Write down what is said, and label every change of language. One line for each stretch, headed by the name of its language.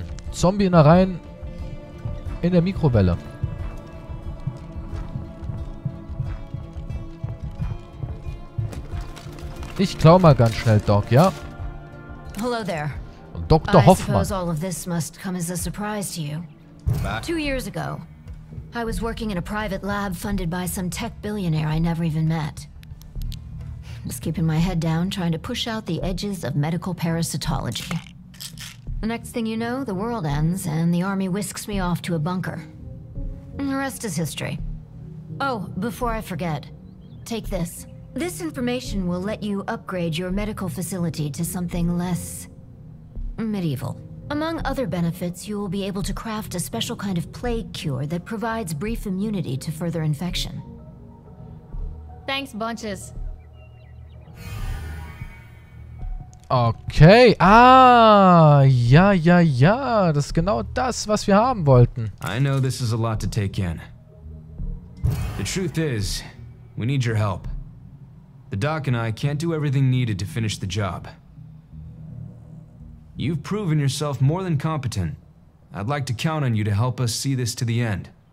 German: Zombie in der Reihen in der Mikrowelle. Ich klau mal ganz schnell, Doc, ja?
English: Hello there. Dr. Hoffman. I suppose all of this must come as a surprise to you. Back. 2 years ago, I was working in a private lab funded by some tech billionaire I never even met. Just keeping my head down, trying to push out the edges of medical parasitology. The next thing you know, the world ends and the army whisks me off to a bunker. And the rest is history. Oh, before I forget, take this. This information will let you upgrade your medical facility to something less... medieval. Among other benefits, you will be able to craft a special kind of plague cure that provides brief immunity to further infection. Thanks, bunches. Okay. Ah, ja, ja, ja.
German: Das ist genau das, was wir haben wollten.
English: I know this is a lot to take in. The truth is, we need your help. The doc and I can't do everything needed to finish the job. You've proven yourself more than competent. I'd like to count on you to help us see this to the end.